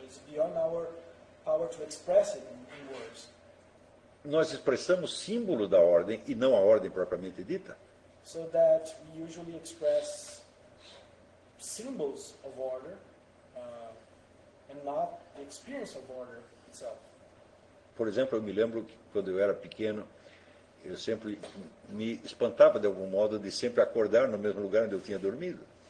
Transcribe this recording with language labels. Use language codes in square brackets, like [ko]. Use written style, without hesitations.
[en] It's beyond our power to express it in words. [pt] Nós expressamos símbolo da ordem e não a ordem propriamente dita. [en] So that we usually express symbols of order and not the experience of order itself. [pt] Por exemplo, eu me lembro que quando eu era pequeno, eu sempre me espantava de algum modo de sempre acordar no mesmo lugar onde eu tinha dormido.